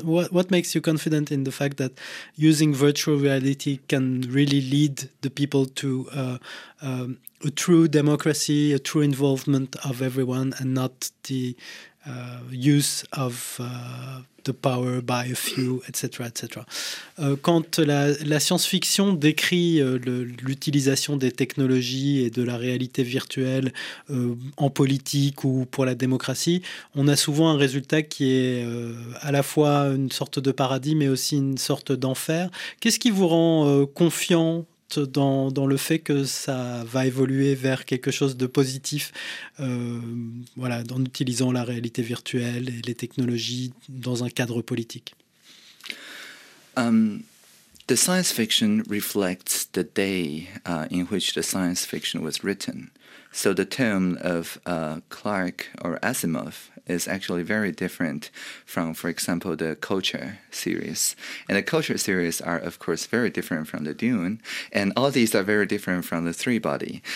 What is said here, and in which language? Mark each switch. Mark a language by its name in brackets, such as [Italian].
[English] What makes you confident in the fact that using virtual reality can really lead the people to a true democracy, a true involvement of everyone, and not the use of the power by a few, etc., etc.? [French] Quand la science-fiction décrit l'utilisation des technologies et de la réalité virtuelle en politique ou pour la démocratie, on a souvent un résultat qui est à la fois une sorte de paradis, mais aussi une sorte d'enfer. Qu'est-ce qui vous rend confiante dans le fait que ça va évoluer vers quelque chose de positif, en utilisant la réalité virtuelle et les technologies dans un cadre politique? [English] The science fiction reflects the day in which the science fiction was written. So the tone of Clark or Asimov is actually very different from, for example, the Culture series. And the Culture series are, of course, very different from the Dune. And all these are very different from the three-body.